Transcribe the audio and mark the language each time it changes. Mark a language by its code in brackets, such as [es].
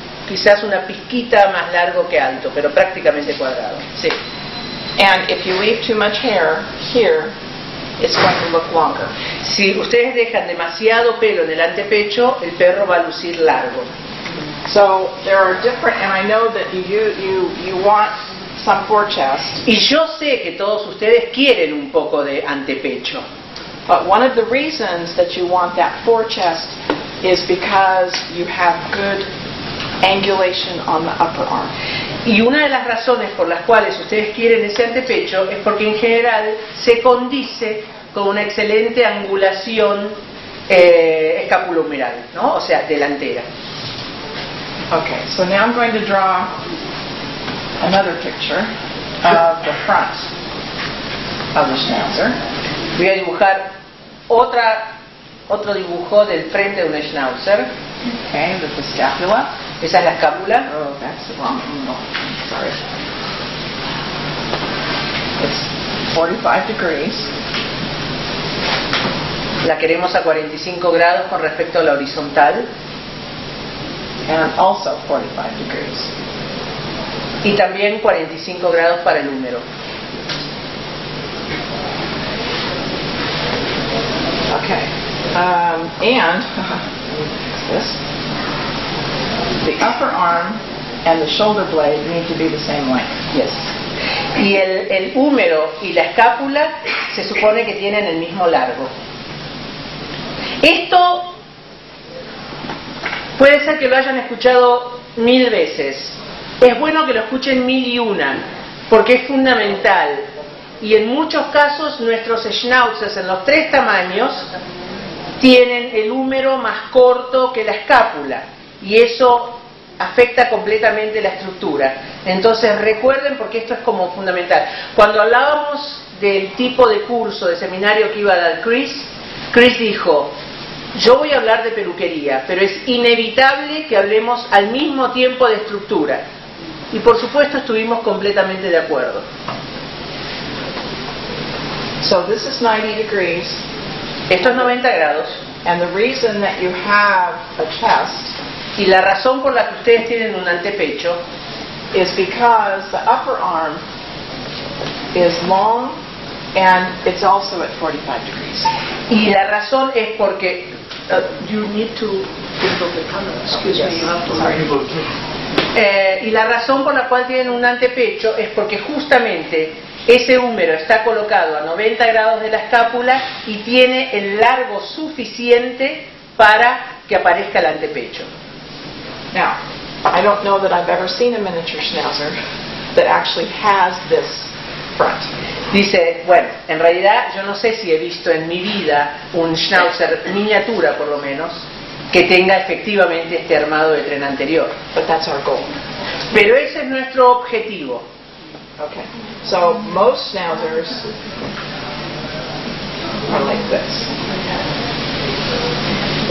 [es] Quizás una pizquita más largo que alto, pero prácticamente cuadrado. Sí. [en] And if you leave too much hair here, it's going to look longer. [es] Si ustedes dejan demasiado pelo en el antepecho, el perro va a lucir largo. [en] So there are different, and I know that you want some forechest. [es] Y yo sé que todos ustedes quieren un poco de antepecho. [en] But one of the reasons that you want that forechest is because you have good angulation on the upper arm. [es] Y una de las razones por las cuales ustedes quieren ese antepecho es porque en general se condice con una excelente angulación escapulohumeral, ¿no? O sea, delantera. [en] Okay, so now I'm going to draw another picture of the front of the schnauzer. [es] Voy a dibujar otro dibujo del frente de un schnauzer. [en] Okay, with the scapula. [es] Esa es la escápula. [en] Oh, that's the wrong one. No, sorry. It's 45 degrees. [es] La queremos a 45 grados con respecto a la horizontal. [en] And also 45 degrees. [es] Y también 45 grados para el húmero. [en] Okay. And the upper arm and the shoulder blade need to be the same length. Yes. [es] Y el húmero y la escápula se supone que tienen el mismo largo. Esto puede ser que lo hayan escuchado mil veces. Es bueno que lo escuchen mil y una, porque es fundamental. Y en muchos casos nuestros schnauzers en los tres tamaños tienen el húmero más corto que la escápula. Y eso afecta completamente la estructura. Entonces recuerden, porque esto es como fundamental. Cuando hablábamos del tipo de curso, de seminario que iba a dar Chris dijo... Yo voy a hablar de peluquería, pero es inevitable que hablemos al mismo tiempo de estructura. Y por supuesto estuvimos completamente de acuerdo. [en] So this is 90 degrees. [es] Esto es 90 grados. [en] And the reason that you have a chest, [es] y la razón por la que ustedes tienen un antepecho, [en] is because the upper arm is long and it's also at 45 degrees. [es] Y la razón es porque [en] You need to get on the camera. Excuse me. Sorry. [es] Y la razón por la cual tienen un antepecho es porque justamente ese húmero está colocado a 90 grados de la escápula y tiene el largo suficiente para que aparezca el antepecho. [en] Now, I don't know that I've ever seen a miniature schnauzer that actually has this front. [es] Dice, bueno, en realidad yo no sé si he visto en mi vida un schnauzer miniatura, por lo menos, que tenga efectivamente este armado de tren anterior. [en] But that's our goal. [es] Pero ese es nuestro objetivo. [en] Okay. So most schnauzers are like this.